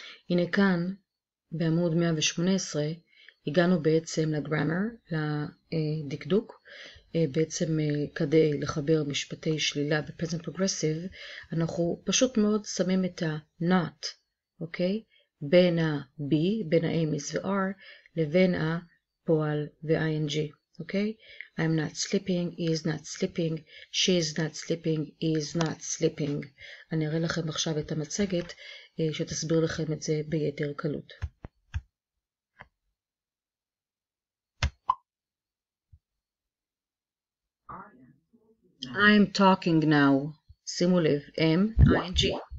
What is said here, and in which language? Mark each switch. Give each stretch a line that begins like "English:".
Hebrew: הנה כאן, בעמוד 118, הגענו בעצם לגרמר, לדקדוק, בעצם כדי לחבר משפטי שלילה ו-present progressive, אנחנו פשוט מאוד שמים את ה-not, אוקיי? בין ה-b, בין ה-am is ו-r, לבין הפועל ו-ing, אוקיי?
English: I'm not sleeping, he is not sleeping, she is not sleeping, he is not sleeping.
Hebrew: אני אראה לכם עכשיו את המצגת שתסביר לכם את זה ביתר קלות.
English: I'm talking now.
Hebrew: שימו לב, M, I, G.